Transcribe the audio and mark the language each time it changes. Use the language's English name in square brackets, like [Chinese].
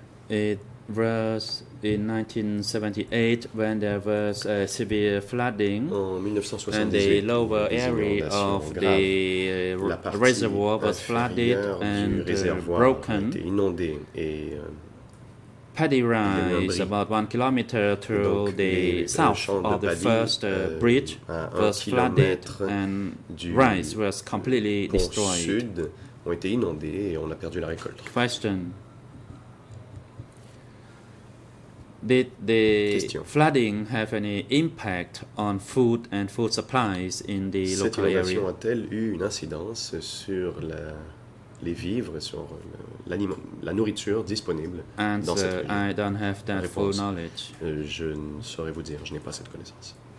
[English] It was in 1978, when there was a severe flooding, and the lower area of the reservoir was flooded and broken, paddy rice about 1 kilometer to the south of the first bridge was flooded and rice was completely destroyed. [French] Sud ont été inondés et on a perdu la récolte. [English] Question. Did the flooding have any impact on food and food supplies in the local area? [French] Cette inondation a-t-elle eu une incidence sur la les vivres sur la nourriture disponible [English] and [French] dans cette région? [English] I don't have that full knowledge. [French] Je ne saurais vous dire, je n'ai pas cette connaissance.